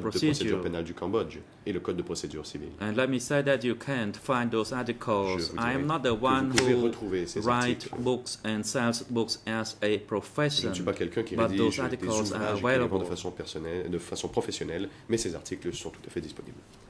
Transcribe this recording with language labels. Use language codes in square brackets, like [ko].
[fr] Procedure pénale du Cambodge et le Code de procédure civile. [en] And let me say that you can't find those articles. I am not the one who writes books and sells books as a profession. [fr] Je ne suis pas quelqu'un qui rédige des ouvrages et qui les vend de façon personnelle, de façon professionnelle, mais ces articles sont tout à fait disponibles.